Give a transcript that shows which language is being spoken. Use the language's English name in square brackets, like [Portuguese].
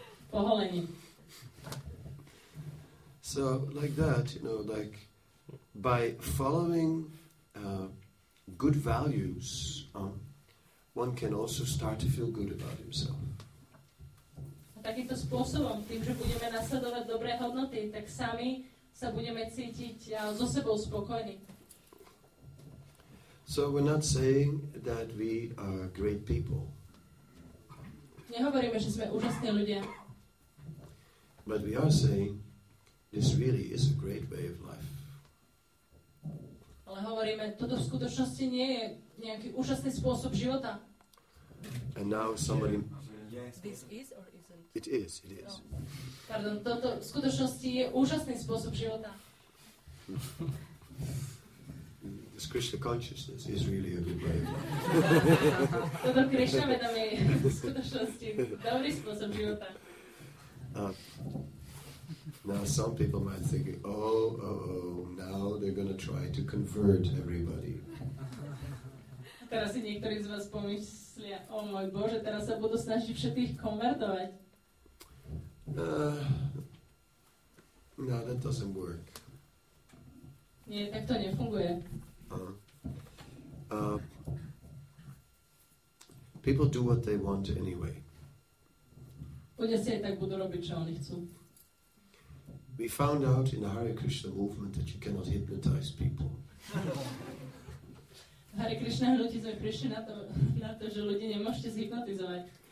[Slovak] Poholenie. [English] So like that, you know, like by following good values, one can also start to feel good about himself. [Slovak] A takýmto spôsobom, tým, že budeme nasledovať dobré hodnoty, tak sami sa budeme cítiť so sebou spokojní. [English] So we're not saying that we are great people. [Slovak] Nehovoríme, že sme úžasní ľudia. [English] But we are saying this really is a great way of life. [Slovak] Ale hovoríme, toto v skutočnosti nie je nejaký úžasný spôsob života. [English] And now somebody... This is or isn't? It is, it is. [Slovak] No. Pardon, toto v skutočnosti je úžasný spôsob života. [English] This Krishna consciousness is really a good way of life. [Slovak] Toto Krishna vedomie je v skutočnosti dobrý spôsob života. [English] Now some people might think, now they're going to try to convert everybody. [Slovak] Teraz si niektorí z vás pomyslia, oh môj Bože, teraz sa budú snažiť všetkých konvertovať. [English] No, that doesn't work. [Slovak] Nie, tak to nefunguje. [English] People do what they want anyway. [Slovak] Ľudia si aj tak budú robiť, čo oni chcú. [English] We found out in the Hare Krishna movement that you cannot hypnotize people. [Slovak] Hare Krishna hnutí sme prišli na to, že ľudí nemôžete zhypnotizovať.